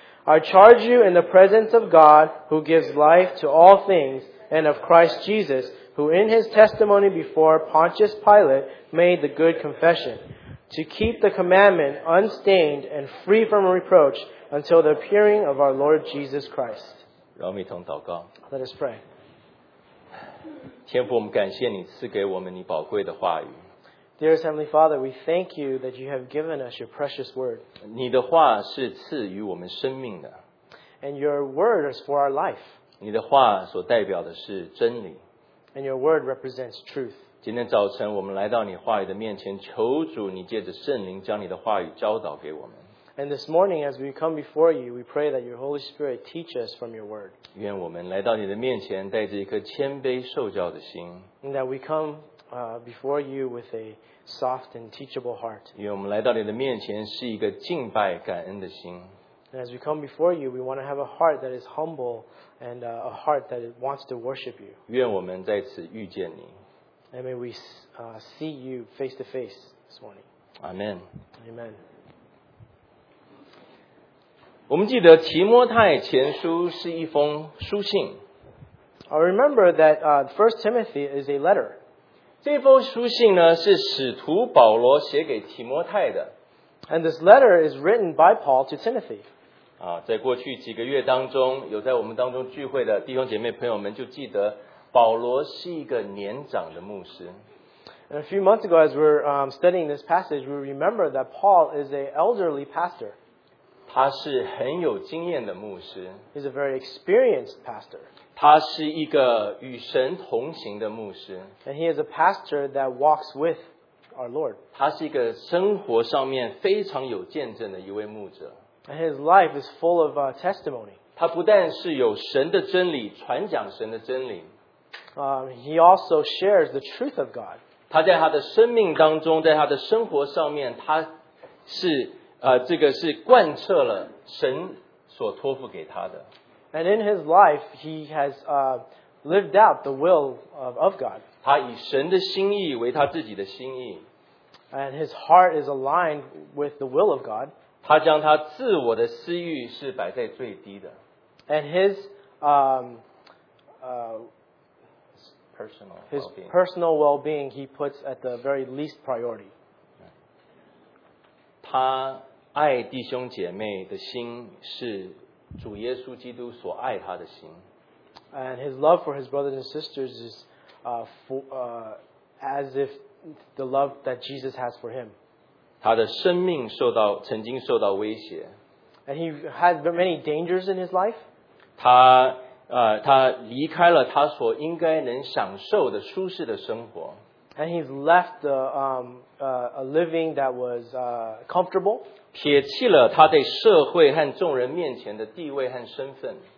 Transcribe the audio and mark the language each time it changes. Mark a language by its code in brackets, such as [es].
[en] I charge you in the presence of God, who gives life to all things, and of Christ Jesus, who in his testimony before Pontius Pilate made the good confession, to keep the commandment unstained and free from reproach until the appearing of our Lord Jesus Christ. Let us pray. [zh] 天父，我们感谢你赐给我们你宝贵的话语。 [en] Dearest Heavenly Father, we thank you that you have given us your precious word. [zh] 你的话是赐予我们生命的。 [en] And your word is for our life. [zh] 你的话所代表的是真理。 [en] And your word represents truth. [zh] 今天早晨，我们来到你话语的面前，求主你借着圣灵将你的话语教导给我们。 [en] And this morning, as we come before you, we pray that your Holy Spirit teach us from your word. [zh] 愿我们来到你的面前，带着一颗谦卑受教的心。 [en] And that we come before you with a soft and teachable heart. [zh] 愿我们来到你的面前是一个敬拜感恩的心。 [en] And as we come before you, we want to have a heart that is humble and a heart that wants to worship you. [zh] 愿我们在此遇见你。 [en] And may we see you face to face this morning. Amen. Amen. [zh] 我们记得提摩太前书是一封书信。 [en] I remember that First Timothy is a letter. [zh] 这封书信呢是使徒保罗写给提摩太的。 [en] And this letter is written by Paul to Timothy. [zh] 啊，在过去几个月当中，有在我们当中聚会的弟兄姐妹朋友们就记得保罗是一个年长的牧师。 [en] And a few months ago, as we're studying this passage, we remember that Paul is an elderly pastor. [zh] 他是很有经验的牧师。 [en] He's a very experienced pastor. [zh] 他是一个与神同行的牧师。 [en] And he is a pastor that walks with our Lord. [zh] 他是一个生活上面非常有见证的一位牧者。 [en] And his life is full of testimony. [zh] 他不但是有神的真理，传讲神的真理。 [en] He also shares the truth of God. [zh] 他在他的生命当中，在他的生活上面，他是这个是贯彻了神所托付给他的。 [en] And in his life, he has lived out the will of God. [zh] 他以神的心意为他自己的心意。 [en] And his heart is aligned with the will of God. [zh] 他将他自我的私欲是摆在最低的。 [en] And his personal well-being he puts at the very least priority. [zh] 他爱弟兄姐妹的心是主耶稣基督所爱他的心。 [en] And his love for his brothers and sisters is as if the love that Jesus has for him. [zh] 他的生命曾经受到威胁。 [en] And he had many dangers in his life. [zh] 他离开了他所应该能享受的舒适的生活。 [en] And he's left a living that was comfortable. [zh] 撇弃了他对社会和众人面前的地位和身份。